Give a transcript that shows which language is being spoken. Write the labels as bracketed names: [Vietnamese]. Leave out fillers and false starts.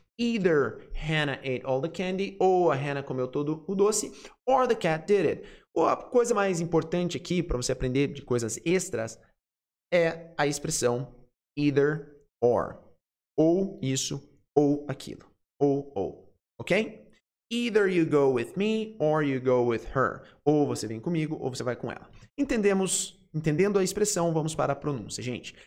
[English] Either Hannah ate all the candy, [Portuguese] ou a Hannah comeu todo o doce, [English] or the cat did it. [Portuguese] Ou a coisa mais importante aqui, para você aprender de coisas extras, é a expressão either or. Ou isso, ou aquilo. Ou. Ok? [English] Either you go with me or you go with her. [Portuguese] Ou você vem comigo ou você vai com ela. Entendendo a expressão, vamos para a pronúncia, gente.